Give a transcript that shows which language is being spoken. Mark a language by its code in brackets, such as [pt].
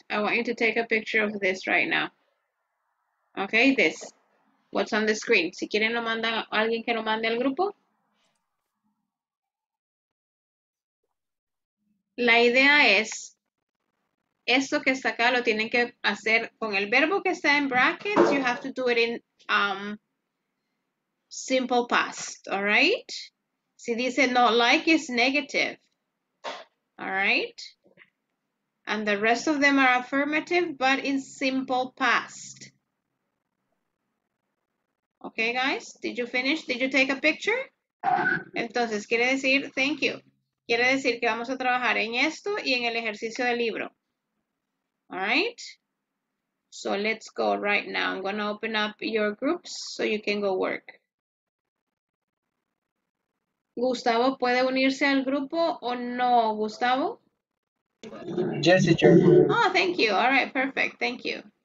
[en] I want you to take a picture of this right now. Okay, this. What's on the screen? [es] Si quieren lo manda alguien que lo mande al grupo. La idea es, esto que está acá lo tienen que hacer con el verbo que está en brackets. [en] You have to do it in simple past, all right? [es] Si dice [en] not like, it's negative, all right? And the rest of them are affirmative, but in simple past. Okay, guys, did you finish? Did you take a picture? [es] Entonces, quiere decir, [en] thank you. [es] Quiere decir que vamos a trabajar en esto y en el ejercicio del libro. [en] All right? So let's go right now. I'm going to open up your groups so you can go work. [es] Gustavo, ¿puede unirse al grupo o no, Gustavo? [en] Yes, teacher. Oh, thank you. All right, perfect. Thank you.